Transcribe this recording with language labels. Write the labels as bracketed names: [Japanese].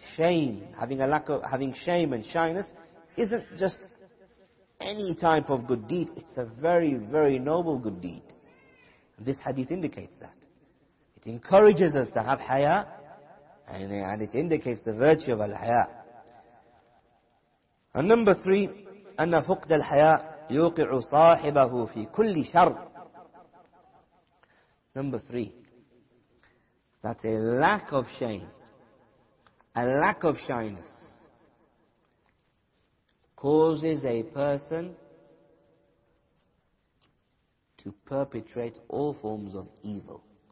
[English] Shame, having a lack of, having shame and shyness, isn't just any type of good deed. It's a very, very noble good deed. And this hadith indicates that. It encourages us to have haya, and it indicates the virtue of al-haya. And number three, [Arabic] أن فقد الحياء يوقع صاحبه في كل شر. [English] Number three, that a lack of shame, a lack of shyness, causes a person to perpetrate all forms of evil.